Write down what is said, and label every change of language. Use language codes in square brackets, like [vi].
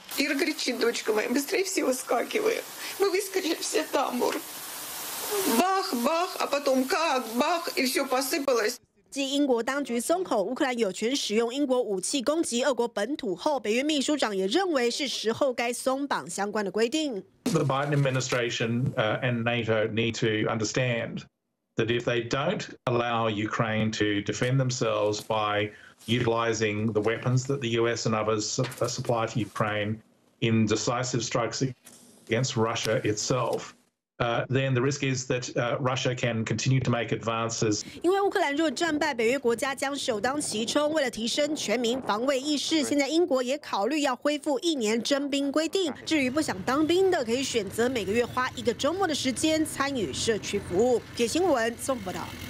[ru] Ира кричит, дочка моя, быстрее все выскакивает. Мы выскочили все тамбур. Бах, бах, а потом как, бах, и все посыпалось. [zh] 继英国当局松口乌克兰有权使用英国武器攻击俄国本土后，北约秘书长也认为是时候该松绑相关的规定。 [en] The Biden administration and NATO need to understand that if they don't allow Ukraine to defend themselves by utilizing the weapons that the US and others supply to Ukraine in decisive strikes against Russia itself. Then the risk is that Russia can continue to make advances. [zh] 因为乌克兰若战败，北约国家将首当其冲。为了提升全民防卫意识，现在英国也考虑要恢复一年征兵规定。至于不想当兵的，可以选择每个月花一个周末的时间参与社区服务。解新闻综合报道。